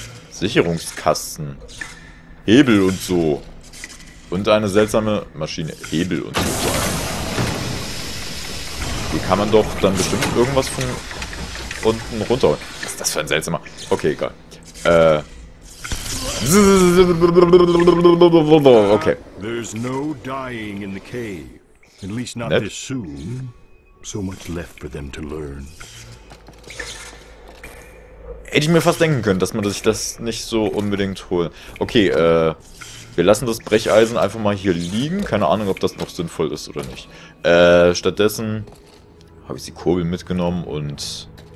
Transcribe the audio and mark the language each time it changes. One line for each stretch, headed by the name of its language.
German: Sicherungskasten. Hebel und so. Und eine seltsame Maschine. Hebel und so. Hier kann man doch dann bestimmt irgendwas von unten runter. Was ist das für ein seltsamer... Okay, egal. Okay.
English: There's no dying in the cave. At least not this soon. So much left for them to learn.
German: Hätte ich mir fast denken können, dass man sich das nicht so unbedingt holen. Okay, wir lassen das Brecheisen einfach mal hier liegen. Keine Ahnung, ob das noch sinnvoll ist oder nicht. Stattdessen habe ich die Kurbel mitgenommen und...